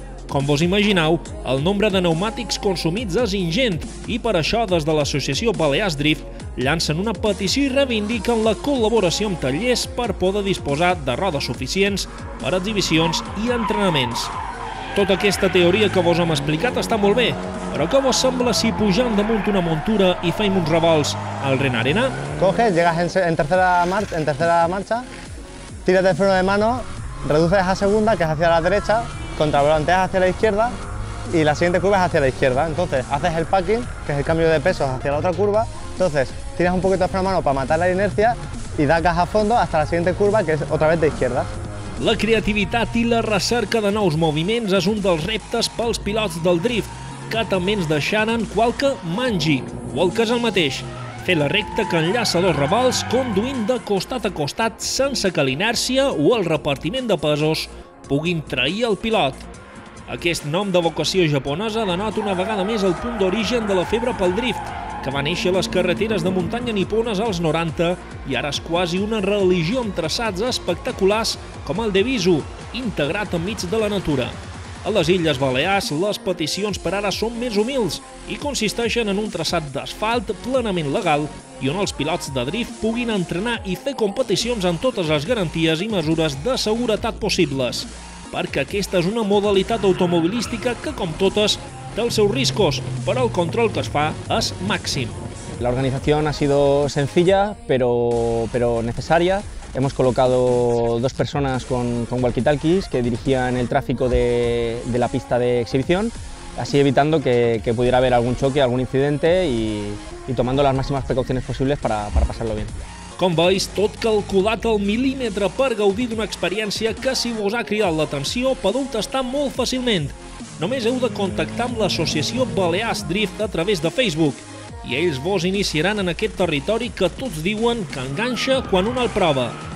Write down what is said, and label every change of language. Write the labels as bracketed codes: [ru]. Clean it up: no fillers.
[ca] Com vos imagineu, el nombre de pneumàtics consumits és ingent i per això des de l'associació Balears Drift llancen una petició i reivindiquen la col·laboració amb tallers per poder disposar de rodes suficients per a exhibicions i entrenaments. Tota aquesta teoria que vos hem explicat està molt bé, però què vos sembla si pujant damunt una muntura i feim uns revolts al Renarena? [es] Coges, llegas en tercera marxa, tiras del freno de mano, reduces a segunda, que es hacia la derecha, contravolanteas hacia la izquierda y la siguiente curva es hacia la izquierda. Entonces, haces el packing, que es el cambio de pesos hacia la otra curva. Entonces, tiras un poquito de freno de mano para matar la inercia y da gas a fondo hasta la siguiente curva, que es otra vez de izquierda. [ca] La creativitat i la recerca de nous moviments és un dels reptes pels pilots del drift, que també ens deixaran qual que mangi, o el que és el mateix, fer la recta que enllaça dos revolts conduint de costat a costat sense que l'inèrcia o el repartiment de pesos puguin trair el pilot. Aquest nom de vocació japonesa denota una vegada més el punt d'origen de la febre pel drift, que va néixer a les carreteres de muntanya nipones als 90 i ara és quasi una religió amb traçats espectaculars com el de Bizu, integrat enmig de la natura. A les Illes Balears, les peticions per ara són més humils i consisteixen en un traçat d'asfalt plenament legal i on els pilots de drift puguin entrenar i fer competicions amb totes les garanties i mesures de seguretat possibles. Perquè aquesta és una modalitat automobilística que, com totes, té els seus riscos, però el control que es fa és màxim. [es] La organització ha sido sencilla, pero necesaria. Hemos colocado dos personas con walkie-talkies que dirigían el tráfico de la pista de exhibición, así evitando que pudiera haber algún choque, algún incidente y tomando las máximas precauciones posibles para pasarlo bien. [ca] Com veis, tot calculat al mil·límetre per gaudir d'una experiència que, si vos ha cridat l'atenció, podeu tastar molt fàcilment. Només heu de contactar amb l'associació Balears Drift a través de Facebook i ells vos iniciaran en aquest territori que tots diuen que enganxa quan un el prova.